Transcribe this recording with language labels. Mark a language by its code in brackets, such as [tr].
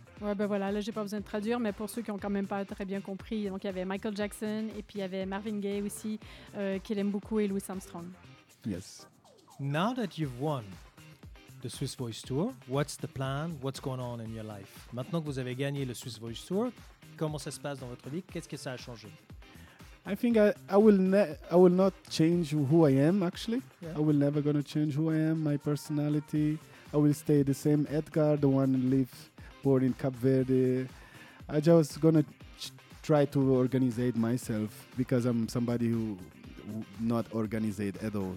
[fr] Ouais, ben voilà, là j'ai pas besoin de traduire, mais pour ceux qui ont quand même pas très bien compris, donc il y avait Michael Jackson et puis il y avait Marvin Gaye aussi qu'il aime beaucoup et Louis Armstrong. [en] Yes. Now that you've won the Swiss Voice Tour, what's the plan? What's going on in your life? [fr] Maintenant que vous avez gagné le Swiss Voice Tour, comment ça se passe dans votre vie? Qu'est-ce que ça a changé? [en] I think I will not change who I am, actually. Yeah. I will never gonna change who I am, my personality. I will stay the same Edgar, the one live born in Cap Verde. I just gonna try to organize myself because I'm somebody who not organized at all.